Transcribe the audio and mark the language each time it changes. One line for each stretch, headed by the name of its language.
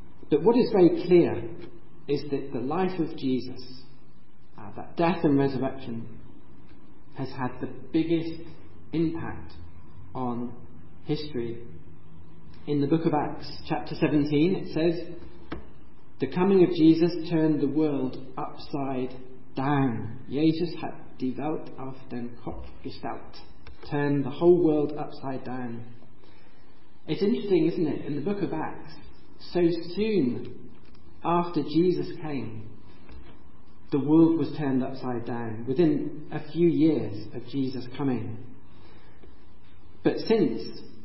English: But what is very clear is that the life of Jesus, that death and resurrection, has had the biggest impact on history. In the book of Acts, chapter 17, it says, "The coming of Jesus turned the world upside down.
German: Jesus hat die Welt auf den Kopf gestellt."
English: Turned the whole world upside down. It's interesting, isn't it? In the book of Acts, so soon after Jesus came, the world was turned upside down, within a few years of Jesus coming. But since